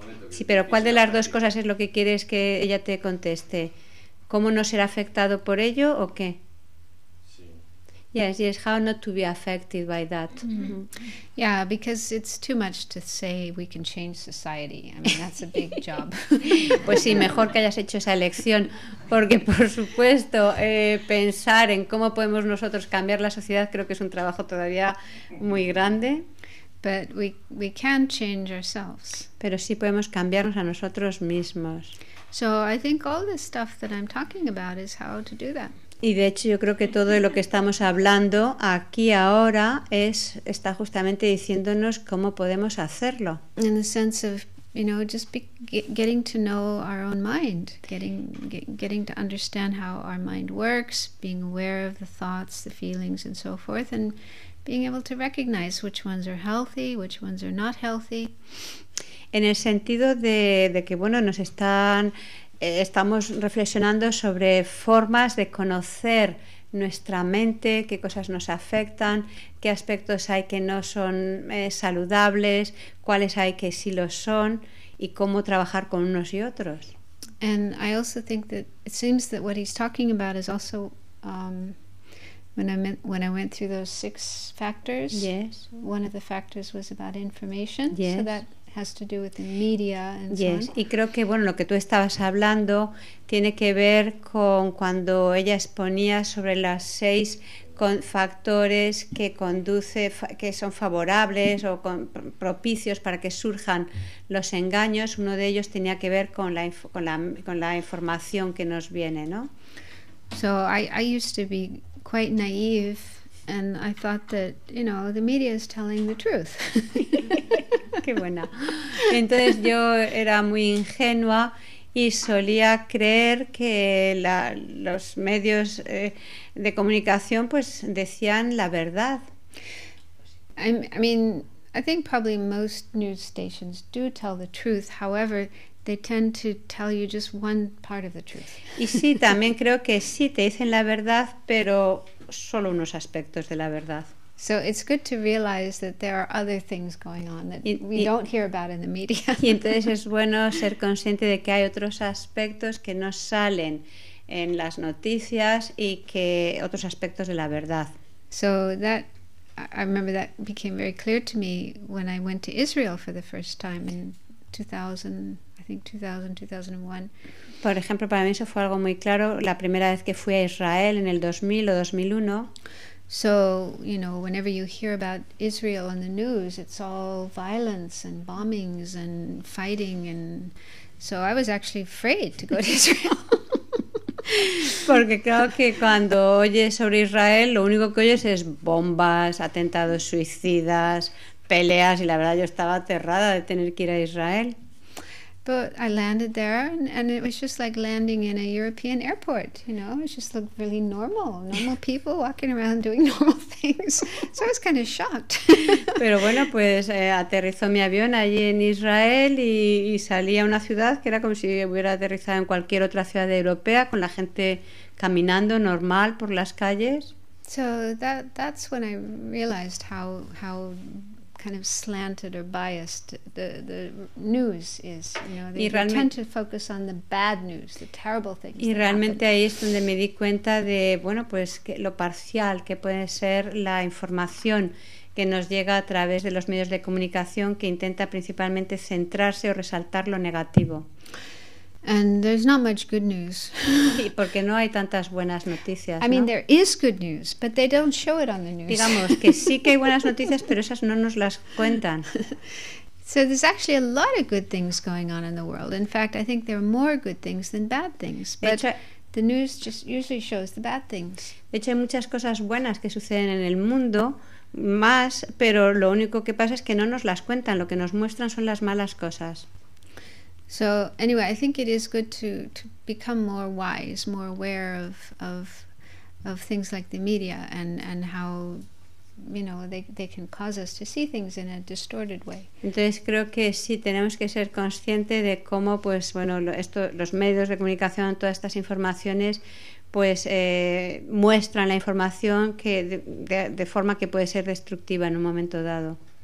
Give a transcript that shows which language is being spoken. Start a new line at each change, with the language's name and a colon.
Spanish: Sí, pero ¿cuál de las dos cosas es lo que quieres que ella te conteste? ¿Cómo no ser afectado por ello o qué? Sí.
English: Yes, yes, how not to be affected by that. Mm-hmm. Yeah, because it's too much to say we can change society. I mean, that's a big job.
Spanish: Pues sí, mejor que hayas hecho esa elección, porque por supuesto, pensar en cómo podemos nosotros cambiar la sociedad creo que es un trabajo todavía muy grande.
English: But we can change ourselves.
Spanish: Pero sí podemos cambiarnos a nosotros mismos.
English: So I think all this stuff that I'm talking about is how to do that.
Spanish: Y de hecho yo creo que todo de lo que estamos hablando aquí ahora está justamente diciéndonos cómo podemos hacerlo.
English: In the sense of, you know, just getting to know our own mind, getting to understand how our mind works, being aware of the thoughts, the feelings, and so forth, and being able to recognize which ones are healthy, which ones are not healthy.
Spanish: En el sentido de que, bueno, nos están estamos reflexionando sobre formas de conocer nuestra mente, qué cosas nos afectan, qué aspectos hay que no son saludables, cuáles hay que sí lo son, y cómo trabajar con unos y otros.
English: And I also think that it seems that what he's talking about is also When I went through those six factors, yes. One of the factors was about information, yes. So that has to do with the media and yes. So on.
Spanish: Y creo que, bueno, lo que tú estabas hablando tiene que ver con cuando ella exponía sobre las seis factores que conduce, que son favorables o propicios para que surjan los engaños. Uno de ellos tenía que ver con la información que nos viene, ¿no?
English: So I used to be quite naive, and I thought that, you know, the media is telling the truth.
Spanish: Qué buena. Entonces yo era muy ingenua y solía creer que los medios de comunicación pues decían la verdad.
English: I mean, I think probably most news stations do tell the truth. However, they tend to tell you just one part of the truth.
Spanish: Y sí, también creo que sí te dicen la verdad, pero solo unos aspectos de la verdad.
English: So it's good to realize that there are other things going on that we don't hear about in the media.
Spanish: Y entonces es bueno ser consciente de que hay otros aspectos que no salen en las noticias y que otros aspectos de la verdad.
English: So that I remember that became very clear to me when I went to Israel for the first time in 2000, 2001.
Spanish: Por ejemplo, para mí eso fue algo muy claro la primera vez que fui a Israel en el 2000 o 2001.
English: So, you know, whenever you hear about Israel in the news, it's all violence and bombings and fighting, and so I was actually afraid to go to Israel.
Spanish: Porque creo que cuando oyes sobre Israel, lo único que oyes es bombas, atentados suicidas, peleas, y la verdad yo estaba aterrada de tener que ir a Israel.
English: But I landed there, and it was just like landing in a European airport, you know? It just looked really normal, normal people walking around doing normal things. So I was kind of shocked.
Spanish: Pero bueno, pues aterrizó mi avión allí en Israel y salí a una ciudad que era como si hubiera aterrizado en cualquier otra ciudad europea, con la gente caminando normal por las calles.
English: So that's when I realized how kind of slanted or biased the news is, you know, they tend to focus on the bad news, the terrible things.
Spanish: Y realmente ahí es donde me di cuenta de, bueno, pues que lo parcial que puede ser la información que nos llega a través de los medios de comunicación, que intenta principalmente centrarse o resaltar lo negativo.
English: And there's not much good news.
Spanish: Y porque no hay tantas buenas noticias.
English: I mean,
Spanish: ¿no?
English: There is good news, but they don't show it on the news.
Spanish: Digamos que sí que hay buenas noticias, pero esas no nos las cuentan.
English: So there's actually a lot of good things going on in the world. In fact, I think there are more good things than bad things. But the news just usually shows the bad things.
Spanish: De hecho, hay muchas cosas buenas que suceden en el mundo, más, pero lo único que pasa es que no nos las cuentan. Lo que nos muestran son las malas cosas.
English: So anyway, I think it is good to become more wise, more aware of things like the media and how, you know, they can cause us to see things in a distorted way.
Spanish: Entonces creo que sí tenemos que ser consciente de cómo, pues bueno, esto, los medios de comunicación, todas estas informaciones, pues muestran la información que de forma que puede ser destructiva en un momento dado.